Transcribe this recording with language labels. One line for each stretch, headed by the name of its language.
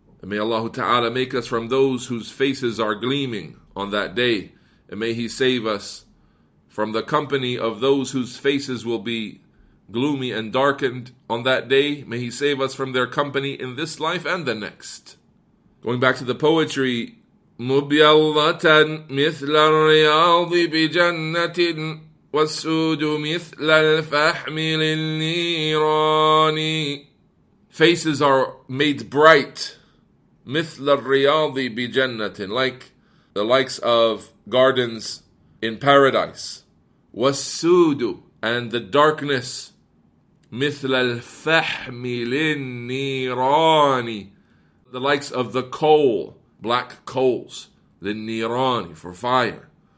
English: And may Allah Ta'ala make us from those whose faces are gleaming on that day. And may He save us from the company of those whose faces will be gloomy and darkened on that day. May He save us from their company in this life and the next. Going back to the poetry,
Arabic: مُبْيَلَّةً مِثْلَ الرِّيَاضِ بِجَنَّةٍ وَالسُّودُ مِثْلَ الْفَحْمِ لِلْنِيرَانِ.
English: Faces are made bright,
Arabic: مِثْلَ الرِّيَاضِ بِجَنَّةٍ,
English: like the likes of gardens in paradise.
Arabic: وَالسُّودُ,
English: and the darkness,
Arabic: مِثْلَ الْفَحْمِ لِلْنِيرَانِ,
English: the likes of the coal, black coals,
Arabic: لِلْنِيرَانِ,
English: for fire.